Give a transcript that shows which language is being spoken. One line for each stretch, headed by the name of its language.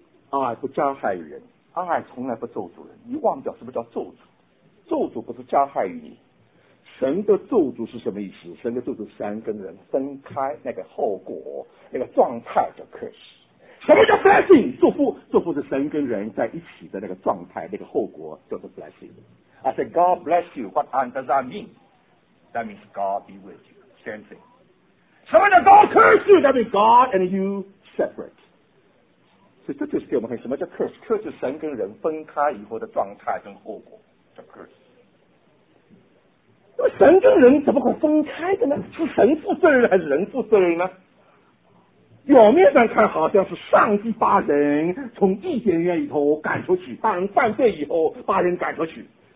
Chinese: 爱不加害于人，爱从来不咒诅人。你忘掉什么叫咒诅，咒诅不是加害于你。神的咒诅是什么意思？神的咒诅是三个人分开，那个后果，那个状态叫 curse。什么叫 blessing？祝福，祝福是神跟人在一起的那个状态，那个后果叫做 blessing。
English: I say God bless you. What does that mean? That means God be with you. Same thing.
Chinese: 什么叫
English: God curse you? That means God and you separate.
Chinese: 所以这就是给我们看什么叫 curse。curse 是神跟人分开以后的状态跟后果叫 curse。那么神跟人怎么会分开的呢？是神负责任还是人负责任呢？表面上看好像是上帝把人从伊甸园里头赶出去，把人犯罪以后把人赶出去。